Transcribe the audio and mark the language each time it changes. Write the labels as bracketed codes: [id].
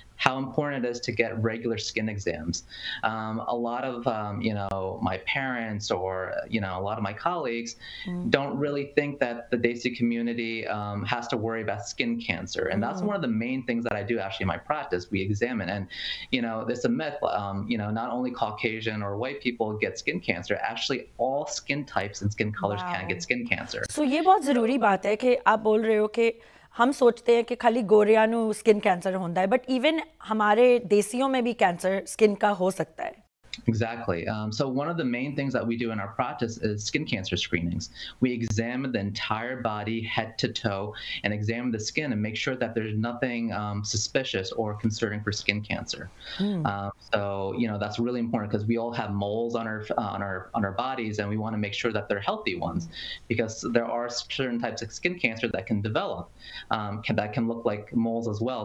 [en] how important it is to get regular skin exams. A lot of, you know, my parents or, you know, a lot of my colleagues don't really think that the Desi community has to worry about skin cancer. And that's one of the main things that I do actually in my practice. We examine. And, you know, it's a myth, you know, not only Caucasian or white people get skin cancer, actually all skin types and skin colors can get skin cancer. [hi] So ये बहुत ज़रूरी बात है कि आप बोल रहे हो कि हम सोचते हैं कि खाली गोरियां नू स्किन कैंसर होंदा है, but even हमारे देसियों में भी कैंसर स्किन का हो सकता है. [en] Exactly. So one of the main things that we do in our practice is skin cancer screenings. We examine the entire body, head to toe, and examine the skin and make sure that there's nothing suspicious or concerning for skin cancer. So, you know, that's really important because we all have moles on our bodies, and we want to make sure that they're healthy ones because there are certain types of skin cancer that can develop, that can look like moles as well.